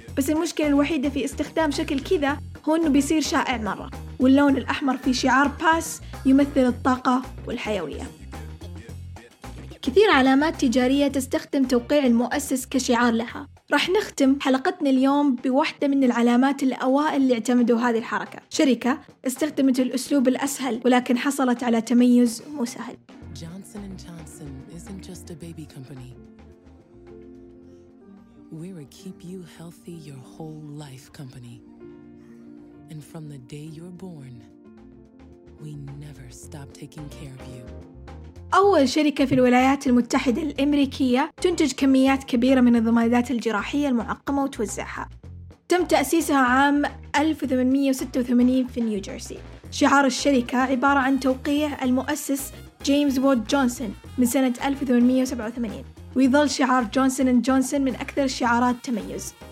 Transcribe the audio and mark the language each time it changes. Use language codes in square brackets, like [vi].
[ar] بس المشكلة الوحيدة في استخدام شكل كذا هو أنه بيصير شائع مرة، واللون الأحمر في شعار باس يمثل الطاقة والحيوية. كثير علامات تجارية تستخدم توقيع المؤسس كشعار لها. رح نختم حلقتنا اليوم بواحدة من العلامات الأوائل اللي اعتمدوا هذه الحركة، شركة استخدمت الأسلوب الأسهل ولكن حصلت على تميز مو سهل. [en] Johnson & Johnson isn't just a baby company. We're a keep you healthy your whole life company. And from the day you're born, we never stop taking care of you. [ar] أول شركة في الولايات المتحدة الأمريكية تنتج كميات كبيرة من الضمادات الجراحية المعقمة وتوزعها. تم تأسيسها عام 1886 في نيوجيرسي. شعار الشركة عبارة عن توقيع المؤسس جيمس وود جونسون من سنة 1887، ويظل شعار جونسون & جونسون من أكثر الشعارات تميز.